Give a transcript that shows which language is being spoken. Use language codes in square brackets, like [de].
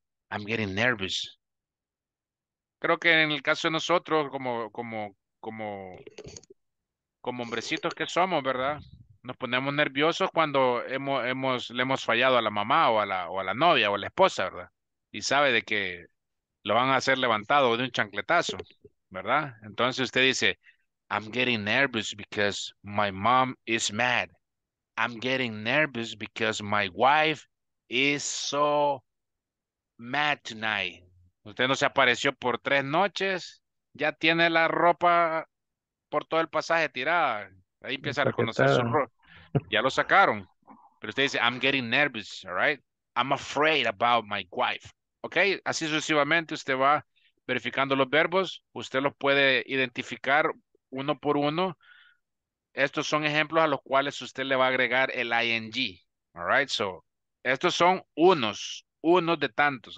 [en] I'm getting nervous. [es] Creo que en el caso de nosotros, como hombrecitos que somos, ¿verdad? Nos ponemos nerviosos cuando le hemos fallado a la mamá o a la novia o a la esposa, ¿verdad? Y sabe de que lo van a hacer levantado de un chancletazo, ¿verdad? Entonces usted dice, [en] I'm getting nervous because my mom is mad. I'm getting nervous because my wife is so mad tonight. [es] Usted no se apareció por 3 noches, ya tiene la ropa por todo el pasaje tirada. Ahí empieza a reconocer su rol. Ya lo sacaron. Pero usted dice, [en] I'm getting nervous, all right? I'm afraid about my wife. [es] Ok, así sucesivamente usted va verificando los verbos. Usted los puede identificar uno por uno. Estos son ejemplos a los cuales usted le va a agregar el ing. [en] All right, so [es] estos son unos de tantos.